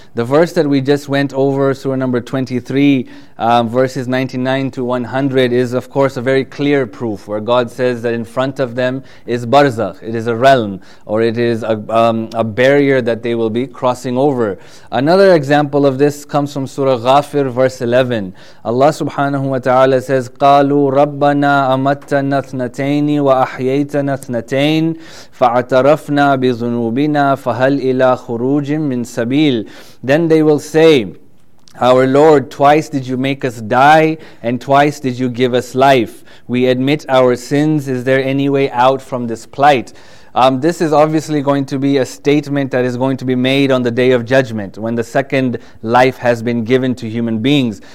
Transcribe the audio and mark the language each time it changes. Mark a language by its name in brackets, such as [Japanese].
[English] The verse that we just went over, surah number 23, verses 99 to 100, is of course a very clear proof where God says that in front of them is barzakh. It is a realm, or it is a barrier that they will be crossing over. Another example of this comes from surah Ghafir, verse 11. [Arabic] Allah subhanahu wa ta'ala [English] says, [Arabic] قَالُوا رَبَّنَا أَمَتَّنَا اثْنَتَيْنِ وَأَحْيَيْتَنَا اثْنَتَيْنِ فَاعْتَرَفْنَا بِذُنُوبِنَا فَهَلْ إِلَىٰ خُرُوجٍ مِّن سَبِيلٍ. [English] Then they will say, our Lord, twice did you make us die and twice did you give us life. We admit our sins. Is there any way out from this plight? This is obviously going to be a statement that is going to be made on the Day of Judgment when the second life has been given to human beings.